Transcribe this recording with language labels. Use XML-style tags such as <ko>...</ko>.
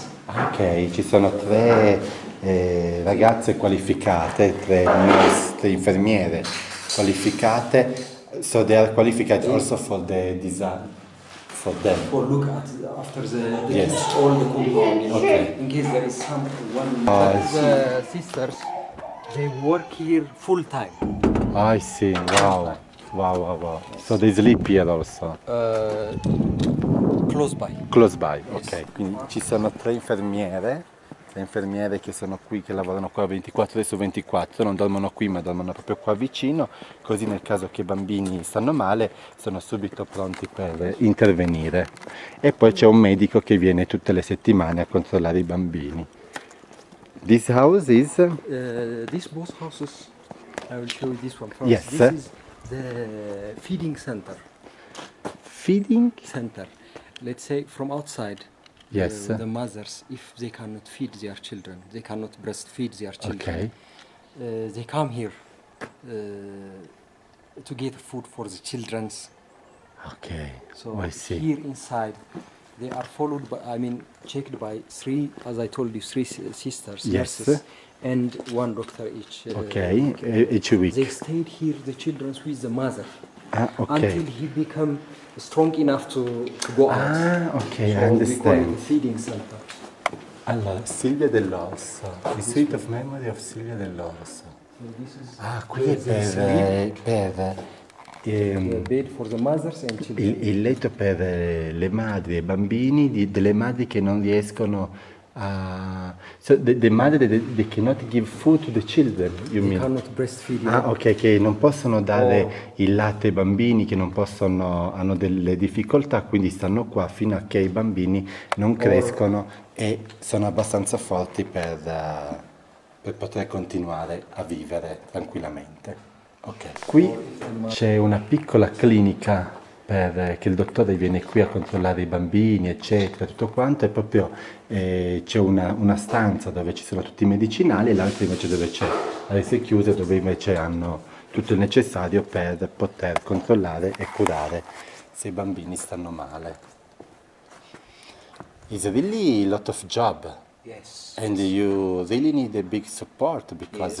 <it>Ok, ci sono tre ragazze qualificate, tre infermiere qualificate</it> <en>So they are qualified also for the design. For them. For look at after the yes. Kids, all the cool okay. Okay. In case there is something. One. The sisters, they work here full time. I see. Wow. Wow. Wow. Wow. Yes. So they sleep here also. Close by. Close by. Okay. Yes.</en> <it>Quindi ci sono tre infermiere. Le infermiere che sono qui, che lavorano qua 24 ore su 24, non dormono qui ma dormono proprio qua vicino, così nel caso che i bambini stanno male sono subito pronti per intervenire. E poi c'è un medico che viene tutte le settimane a controllare i bambini.</it> <en>This house is? These both houses, I will show you this one first. Yes. This is the feeding center. Feeding? Center, let's say from outside. Yes. The mothers, if they cannot feed their children, they cannot breastfeed their children. Okay. They come here to get food for the children. Okay. So oh, I see. Here inside, they are followed by, I mean, checked by three, as I told you, three sisters, yes. Nurses, and one doctor each. Okay. Each week. They stayed here, the children, with the mother. Okay. Until he become strong enough to go out. Ah, okay, so I understand. We call it feeding center. Allora, Silvia dell'Orso. The Suite of Memory of Silvia dell'Orso. So</en> <it>ah, qui è</it> <en>bed for the mothers and children.</en> <it>Il letto per le madri e i bambini, delle madri che non riescono a...</it> <en>So the mother, they cannot give food to the children, you mean? Cannot breastfeed.</en> <it>Ah, ok, che non possono dare il latte ai bambini, che non possono, hanno delle difficoltà, quindi stanno qua fino a che i bambini non crescono e sono abbastanza forti per poter continuare a vivere tranquillamente. Ok, qui c'è una piccola clinica che il dottore viene qui a controllare i bambini, eccetera, tutto quanto, e proprio c'è una stanza dove ci sono tutti i medicinali e l'altra invece dove c'è la rete chiusa, dove invece hanno tutto il necessario per poter controllare e curare se i bambini stanno male.</it> <en>It's really a lot of job. Yes. And you really need a big support because...</en>